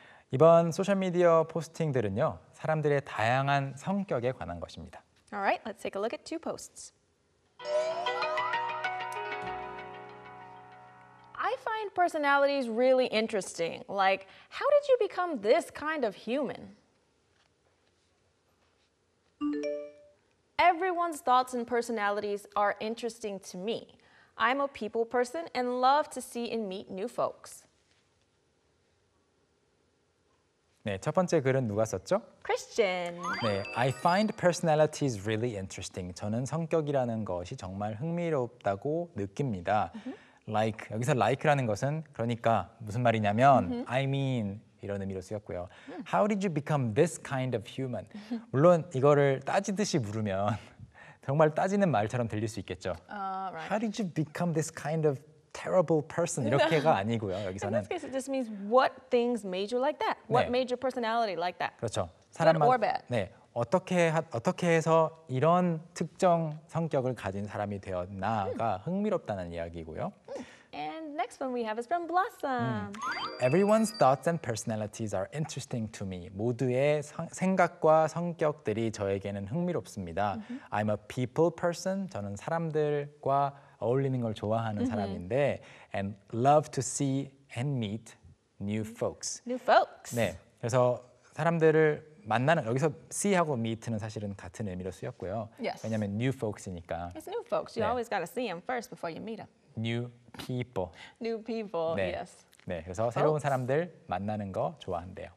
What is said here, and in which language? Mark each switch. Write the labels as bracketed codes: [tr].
[ko] 이번 소셜미디어 포스팅들은요, 사람들의 다양한 성격에 관한 것입니다. [en] All right, let's take a look at two posts. I find personalities really interesting. Like, how did you become this kind of human? Everyone's thoughts and personalities are interesting to me. I'm a people person and love to see and meet new folks. [ko] 네, 첫 번째 글은 누가 썼죠? [en] Christian. [ko] 네, [en] I find personalities really interesting. [ko] 저는 성격이라는 것이 정말 흥미롭다고 느낍니다. Like, 여기서 like라는 것은 그러니까 무슨 말이냐면 mm-hmm. [en] I mean [ko] 이런 의미로 쓰였고요. [en] How did you become this kind of human? [ko] 물론 이거를 따지듯이 물으면 정말 따지는 말처럼 들릴 수 있겠죠. [en] Right. How did you become this kind of terrible person? [ko] 이렇게가 아니고요. 여기서는 [en] In this case, it just means what things made you like that? What [ko] 네. [en] made your personality like that? [ko] 그렇죠. 사람만, [en] Good or bad? [ko] 네. 어떻게 해서 이런 특정 성격을 가진 사람이 되었나가 흥미롭다는 이야기고요. [en] And next one we have is from Blossom. Everyone's thoughts and personalities are interesting to me. [ko] 모두의 생각과 성격들이 저에게는 흥미롭습니다. [en] I'm a people person. [ko] 저는 사람들과 어울리는 걸 좋아하는 사람인데 [en] and love to see and meet new folks. New folks. [ko] 네. 그래서 사람들을 만나는 여기서 see 하고 meet는 사실은 같은 의미로 쓰였고요. [en] Yes. [ko] 왜냐면 [en] new folks [ko] 이니까. [en] It's new folks. You [ko] 네. [en] always got to see them first before you meet them. New people. New people. [ko] 네. [en] Yes. [ko] 네. 그래서 folks. 새로운 사람들 만나는 거 좋아한대요.